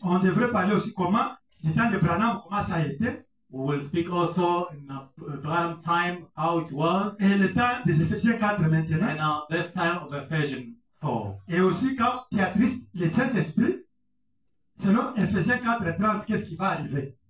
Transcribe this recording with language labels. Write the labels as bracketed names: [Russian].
[French] On devrait parler aussi comment, du temps de Branham, comment ça a été. [English] We will speak also in the Branham time how it was. [French] Et le temps des Ephésiens 4 maintenant. [English] And now this time of Ephesians 4. [French] Et aussi quand tu attristes le Saint-Esprit, selon Ephésiens 4, 30, qu'est-ce qui va arriver?